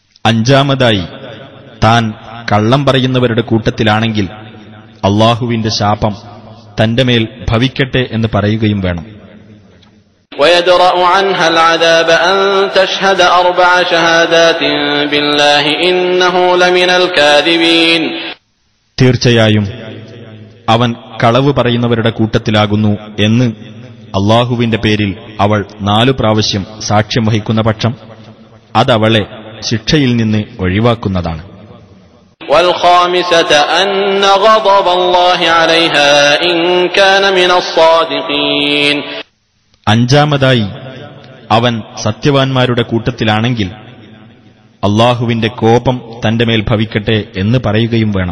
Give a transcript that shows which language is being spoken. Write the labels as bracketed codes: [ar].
[ml] അഞ്ചാമതായി താൻ കള്ളം പറയുന്നവരുടെ കൂട്ടത്തിലാണെങ്കിൽ അള്ളാഹുവിന്റെ ശാപം തന്റെ മേൽ ഭവിക്കട്ടെ എന്ന് പറയുകയും വേണം. [ar] ويدرأ عنها العذاب أن تشهد 4 شهادات بالله إنه لمن الكاذبين. [ml] തീർച്ചയായും അവൻ കളവ് പറയുന്നവരുടെ കൂട്ടത്തിലാകുന്നു എന്ന് അല്ലാഹുവിന്റെ പേരിൽ അവൾ 4 പ്രാവശ്യം സാക്ഷ്യം വഹിക്കുന്ന പക്ഷം അതവളെ ശിക്ഷയിൽ നിന്ന് ഒഴിവാക്കുന്നതാണ്. [ar] والخامسة أن غضب الله عليها إن كان من الصادقين. [ml] അഞ്ചാമതായി അവൻ സത്യവാൻമാരുടെ കൂട്ടത്തിലാണെങ്കിൽ അള്ളാഹുവിന്റെ കോപം തന്റെ മേൽ ഭവിക്കട്ടെ എന്ന് പറയുകയും